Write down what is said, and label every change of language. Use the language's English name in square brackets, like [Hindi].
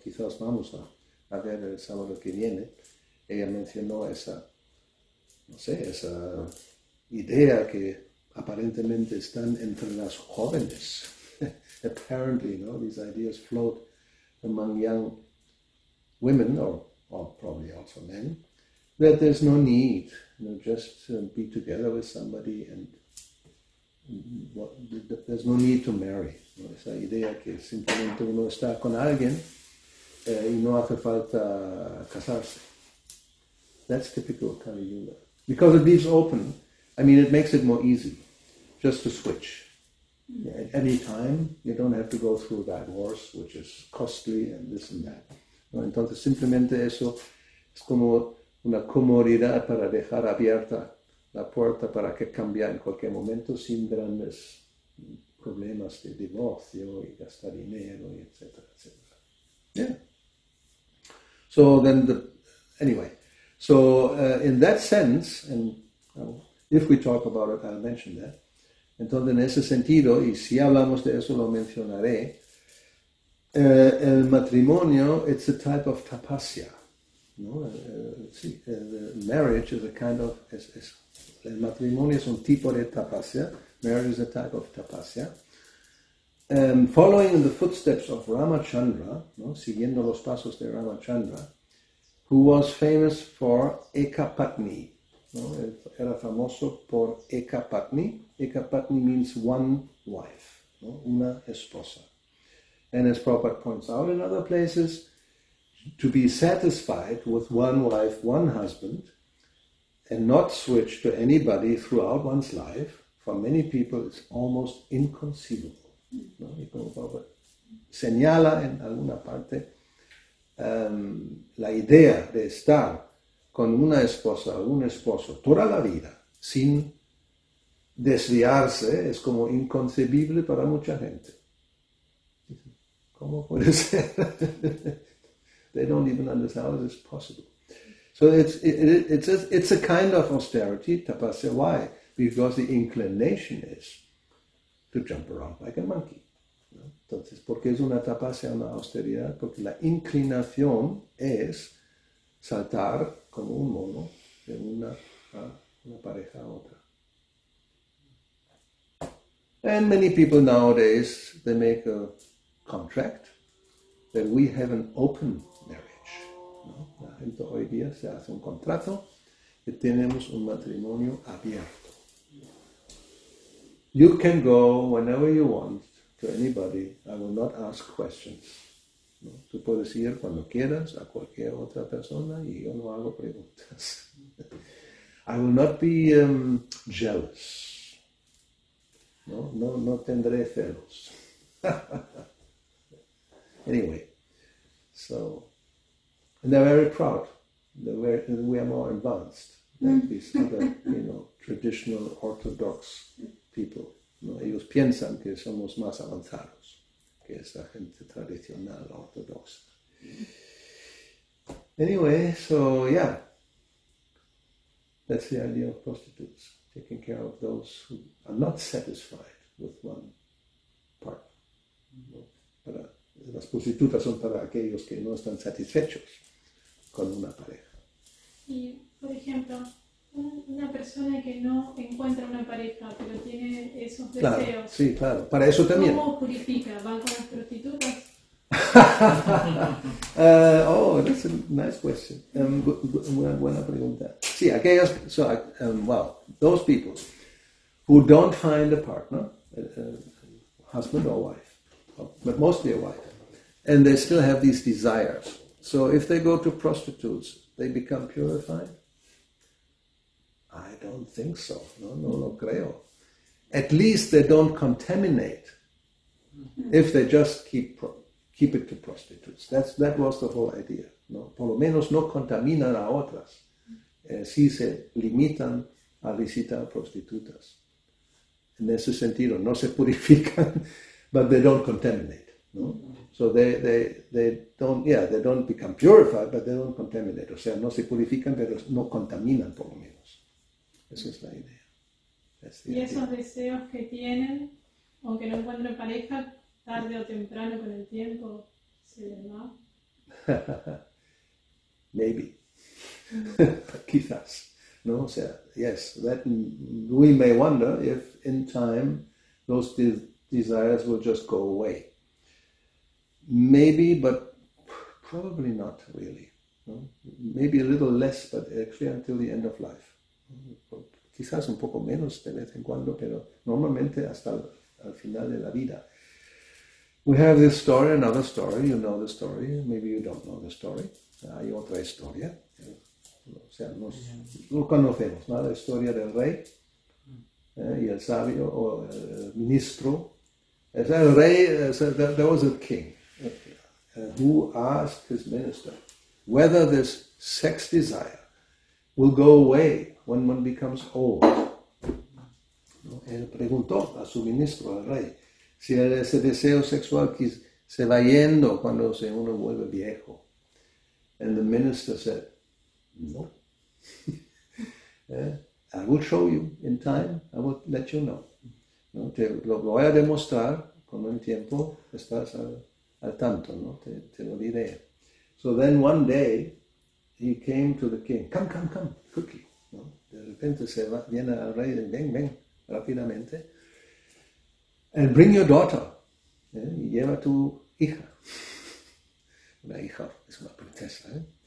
[Spanish] Quizás vamos a ver el sábado que viene. Ella mencionó esa, no sé, esa idea que aparentemente están entre las jóvenes. [English] Apparently, no? These ideas float among young women, or probably also men, that there's no need, you know, just to be together with somebody and there's no need to marry. [Spanish] ¿No? Esa idea que simplemente uno está con alguien y no hace falta casarse. [English] That's typical Kali Yuga. Because it leaves open, I mean, it makes it more easy just to switch. Yeah, at any time, you don't have to go through a divorce, which is costly and this and that. [Spanish] ¿No? Entonces, simplemente eso es como una comodidad para dejar abierta la puerta para que cambie en cualquier momento sin grandes problemas de divorcio y gastar dinero, y etc. [English] etc. Yeah. So then, anyway. So in that sense, and if we talk about it, I'll mention that. [Spanish] Entonces, en ese sentido, y si hablamos de eso, lo mencionaré. El matrimonio, [English] it's a type of tapasya. ¿No? [Spanish] Sí, [English] the marriage is a kind of, [Spanish] el matrimonio es un tipo de tapasya. [English] Marriage is a type of tapasya. Following in the footsteps of Ramachandra, ¿no? [Spanish] Siguiendo los pasos de Ramachandra, [English] who was famous for Ekapatni. [Spanish] ¿No? Era famoso por Ekapatni. [English] Ekapatni means one wife, [Spanish] ¿no? Una esposa. [English] And as Prabhupada points out in other places, to be satisfied with one wife, one husband, and not switch to anybody throughout one's life, for many people it's almost inconceivable. [Spanish] ¿No? Y como Prabhupada señala en alguna parte, la idea de estar con una esposa o un esposo toda la vida sin desviarse es como inconcebible para mucha gente. ¿Cómo puede ser? [English] They don't even understand how it is possible. So it's a kind of austerity, tapasya. Why? Because the inclination is to jump around like a monkey. [Spanish] Entonces, ¿por qué es una tapasya, una austeridad? Porque la inclinación es saltar como un mono de una pareja a otra. [English] And many people nowadays, they make a contract that we have an open marriage. [Spanish] ¿No? La gente hoy día se hace un contrato que tenemos un matrimonio abierto. [English] You can go whenever you want. To anybody, I will not ask questions. ¿No? [Spanish] Tú puedes ir cuando quieras a cualquier otra persona y yo no hago preguntas. [English] I will not be jealous. [Spanish] No, no, no tendré celos. [English] Anyway, so, and they're very proud. We are more advanced than these other, you know, traditional orthodox people. [Spanish] No, ellos piensan que somos más avanzados que esa gente tradicional ortodoxa. [English] Anyway, so yeah, that's the idea of prostitutes, taking care of those who are not satisfied with one part. [Spanish] No, para, las prostitutas son para aquellos que no están satisfechos con una pareja. Y, por ejemplo, una persona que no encuentra una pareja, pero tiene esos deseos. Claro, sí, claro, para eso también. ¿Cómo purifica? ¿Van con las prostitutas? [English] Oh, that's a nice question. [Spanish] Una buena pregunta. Sí, aquellos, [English] so, well, those people who don't find a partner, husband or wife, but mostly a wife, and they still have these desires. So if they go to prostitutes, they become purified? I don't think so. [Spanish] No, no, no creo. [English] At least they don't contaminate if they just keep it to prostitutes. That was the whole idea. [Spanish] No, por lo menos no contaminan a otras. Si se limitan a visitar prostitutas. En ese sentido, no se purifican, [English] but they don't contaminate. [Spanish] No? [English] So they don't become purified, but they don't contaminate. [Spanish] O sea, no se purifican, pero no contaminan por lo menos. Esa es la idea. Y esos deseos que tienen, aunque no encuentren pareja, tarde o temprano con el tiempo se les va. [English] Maybe. [Spanish] Quizás. No, o sea, [English] yes, that we may wonder if in time those desires will just go away. Maybe, but probably not really. No? Maybe a little less, but actually until the end of life. [Spanish] Quizás un poco menos de vez en cuando, pero normalmente hasta al final de la vida. [English] We have this story, another story. You know the story. Maybe you don't know the story. [Spanish] Hay otra historia. O sea, no conocemos, ¿no? La historia del rey y el sabio o el ministro. El rey, [English] there was a king. Who asked his minister whether this sex desire will go away when one becomes old? [Spanish] ¿No? Él preguntó a su ministro, al rey, si ese deseo sexual se va yendo cuando uno vuelve viejo. [English] And the minister said, no. I will show you in time. I will let you know. ¿No? [Spanish] Te lo voy a demostrar con el tiempo. Estás al tanto, ¿no? Te lo diré. [English] So then one day, he came to the king. [Spanish] Come, quickly. ¿No? De repente se va, viene al rey, ven, rápidamente. [English] And bring your daughter. [Spanish] ¿Eh? Y lleva tu hija. Una hija, es una princesa. ¿Eh?